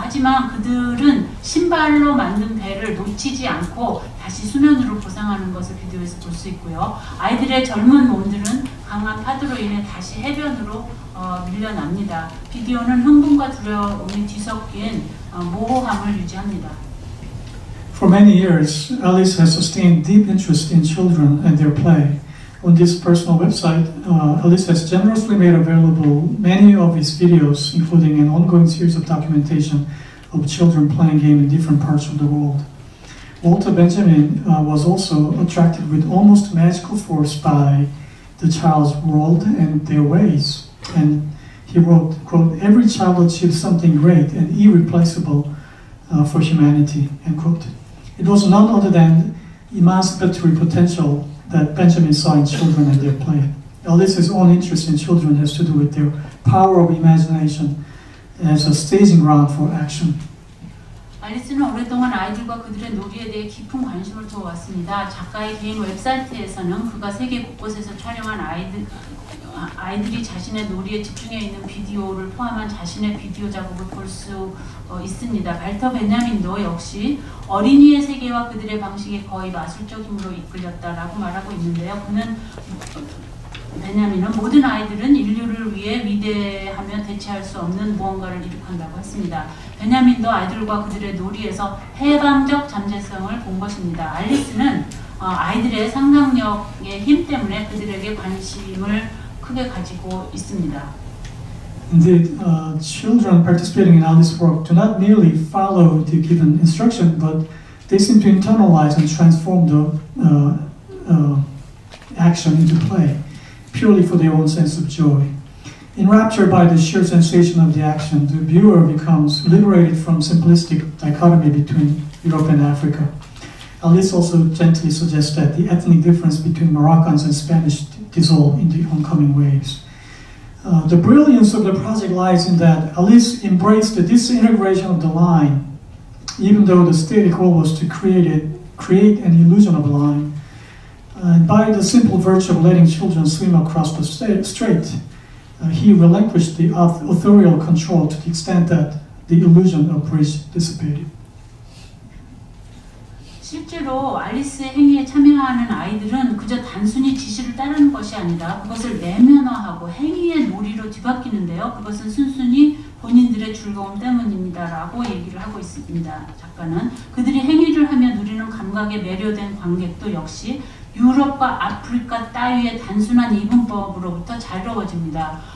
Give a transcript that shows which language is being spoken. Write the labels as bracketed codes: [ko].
[ko] 하지만 그들은 신발로 만든 배를 놓치지 않고 다시 수면으로 보상하는 것을 비디오에서 볼 수 있고요. 아이들의 젊은 몸들은 강한 파도로 인해 다시 해변으로 밀려납니다. 비디오는 흥분과 두려움이 뒤섞인 모호함을 유지합니다. [en] For many years, Alice has sustained deep interest in children and their play. On this personal website, Alice has generously made available many of his videos, including an ongoing series of documentation of children playing games in different parts of the world. Walter Benjamin was also attracted with almost magical force by the child's world and their ways. And he wrote, quote, "Every child achieves something great and irreplaceable for humanity," end quote. It was none other than emancipatory potential that Benjamin saw in children and their play. Alice's own interest in children has to do with their power of imagination as a staging ground for action. [ko] 알리스는 오랫동안 아이들과 그들의 놀이에 대해 깊은 관심을 두어왔습니다. 작가의 개인 웹사이트에서는 그가 세계 곳곳에서 촬영한 아이들이 자신의 놀이에 집중해 있는 비디오를 포함한 자신의 비디오 작업을 볼 수 있습니다. 발터 베냐민도 역시 어린이의 세계와 그들의 방식에 거의 마술적으로 이끌렸다라고 말하고 있는데요. 베냐민은 모든 아이들은 인류를 위해 위대하며 대체할 수 없는 무언가를 이룩한다고 했습니다. 베냐민도 아이들과 그들의 놀이에서 해방적 잠재성을 본 것입니다. 알리스는 아이들의 상상력의 힘 때문에 그들에게 관심을 크게 가지고 있습니다. [en] Indeed, children participating in Alice's work do not merely follow the given instruction, but they seem to internalize and transform the action into play, purely for their own sense of joy. Enraptured by the sheer sensation of the action, the viewer becomes liberated from simplistic dichotomy between Europe and Africa. Alice also gently suggests that the ethnic difference between Moroccans and Spanish dissolve in the oncoming waves. The brilliance of the project lies in that Alice embraced the disintegration of the line, even though the stated goal was to create an illusion of a line. And by the simple virtue of letting children swim across the strait, he relinquished the authorial control to the extent that the illusion of bridge dissipated. [ko] 실제로 알리스의 행위에 참여하는 아이들은 그저 단순히 지시를 따르는 것이 아니라 그것을 내면화하고 행위의 놀이로 뒤바뀌는데요. 그것은 순순히 본인들의 즐거움 때문입니다. 라고 얘기를 하고 있습니다. 작가는 그들이 행위를 하며 누리는 감각에 매료된 관객도 역시 유럽과 아프리카 따위의 단순한 이분법으로부터 자유로워집니다.